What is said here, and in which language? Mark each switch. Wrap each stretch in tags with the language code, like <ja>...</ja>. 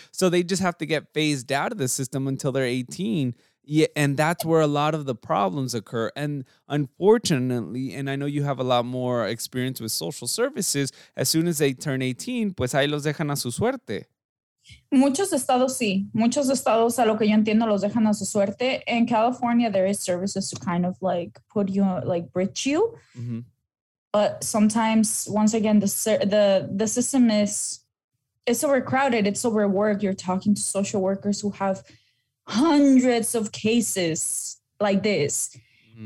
<en>So they just have to get phased out of the system until they're 18. Yeah, and that's where a lot of the problems occur. And unfortunately, and I know you have a lot more experience with social services, as soon as they turn 18,</en> <es>pues ahí los dejan a su suerte. Muchos estados, sí. Muchos estados, a lo que yo entiendo, los dejan a su suerte.</es> <en>In California, there is services to kind of like put you, like bridge you. Mm-hmm. But sometimes, once again, the system is, it's overcrowded. It's overworked. You're talking to social workers who have hundreds of cases like this. Mm-hmm.</en>